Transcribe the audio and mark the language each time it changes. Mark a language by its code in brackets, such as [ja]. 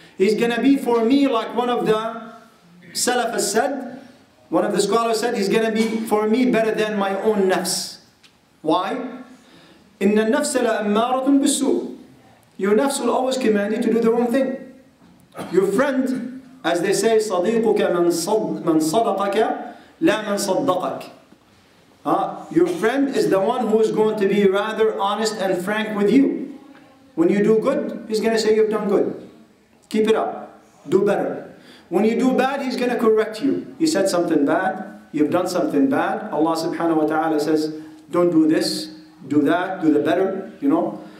[en] He's going to be for me like one of the salaf said, one of the scholars said, he's going to be for me better than my own nafs. Why? [ar] إِنَّ النَّفْسَ لَأَمَّارَةٌ بِالسُّوءٍ [en] Your nafs will always command you to do the wrong thing. Your friend, as they say, [ar] صديقك من صدقك لا من صدقك. [en] Your friend is the one who is going to be rather honest and frank with you. When you do good, he's going to say you've done good. Keep it up. Do better. When you do bad, he's going to correct you. You said something bad. You've done something bad. Allah subhanahu wa ta'ala says, don't do this. Do that. Do the better. You know?